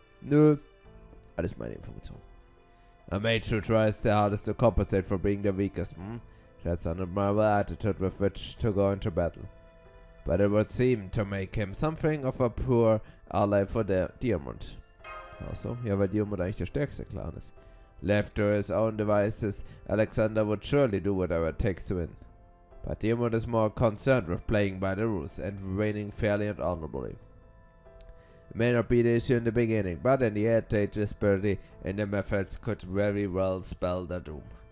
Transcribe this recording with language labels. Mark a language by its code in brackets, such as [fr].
[de] Nö, alles meine Information. [en] A mage who tries the hardest to compensate for being the weakest, That's an admirable attitude with which to go into battle. But it would seem to make him something of a poor ally for Diamond. [de] Also, ja, weil Diamond eigentlich der stärkste Clan ist. [en] Left to his own devices, Alexander would surely do whatever it takes to win. But Diamond is more concerned with playing by the rules and winning fairly and honorably. It may not be the issue in the beginning, but in the end, the disparity in the methods could very well spell the doom.